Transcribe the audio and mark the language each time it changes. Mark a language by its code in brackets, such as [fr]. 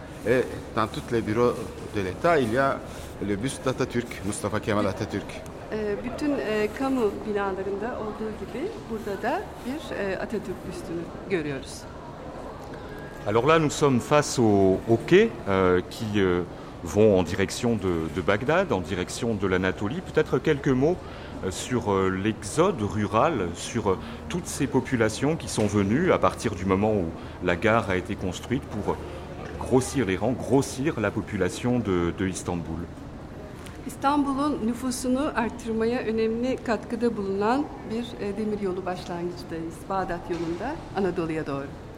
[fr] Et dans tous les bureaux de l'État, il y a le buste d'Atatürk, Mustafa Kemal Atatürk. [tr] Bütün kamu binalarında olduğu gibi burada da bir Atatürk büstünü görüyoruz. [fr] Alors là, nous sommes face aux quais qui vont en direction de Bagdad, en direction de l'Anatolie. Peut-être quelques mots sur l'exode rural, sur toutes ces populations qui sont venues à partir du moment où la gare a été construite pour grossir les rangs, grossir la population de Istanbul. [tr] İstanbul'un nüfusunu artırmaya önemli katkıda bulunan bir demir yolu başlangıcıdayız. Bağdat yolunda Anadolu'ya doğru.